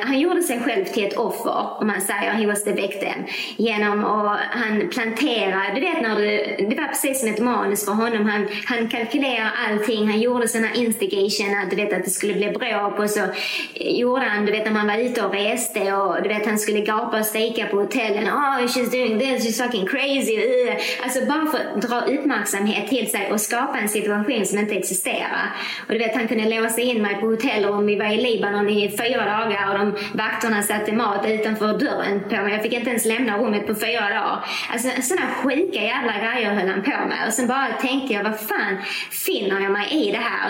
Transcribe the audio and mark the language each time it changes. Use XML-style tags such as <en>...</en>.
<sv>han gjorde sig själv till ett offer, om man säger.</sv> <en>He was the victim.</en> <sv>Genom att han planterade... Du vet när det var precis som ett manus för honom. Han kalkylerade allting. Han gjorde sån här instigation. Att du vet att det skulle bli bråk. Och så gjorde han, du vet, när man var ute och reste. Och du vet, han skulle gapa och steka på hotellen.</sv> <en>Oh, she's doing this, she's fucking crazy.</en> <sv>Alltså bara för att dra uppmärksamhet till sig och skapa en situation som inte existerar. Och du vet, han kunde låsa in mig på hotell och vi var i Libanon i 4 dagar och de vakterna satte mat utanför dörren på mig. Jag fick inte ens lämna rummet på 4 dagar. Alltså sådana sjuka jävla grejer höll han på med. Och sen bara tänkte jag, vad fan finner jag mig i det här?</sv>